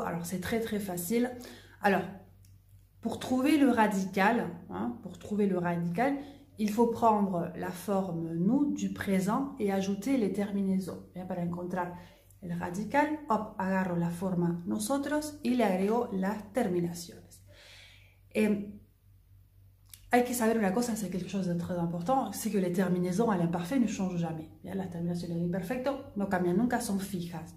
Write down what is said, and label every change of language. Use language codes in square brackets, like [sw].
[fr] Alors, c'est très très facile. Alors, pour trouver le radical, hein, pour trouver le radical, il faut prendre la forme nous du présent et ajouter les terminaisons. [es] Bien, para encontrar el radical, hop, agarro la forma nosotros y le agrego las terminaciones. Hay que saber una cosa, [fr] c'est quelque chose de très important, c'est que les terminaisons à l'imparfait ne changent jamais. [es] Bien, las terminaciones del imperfecto no cambian nunca, son fijas.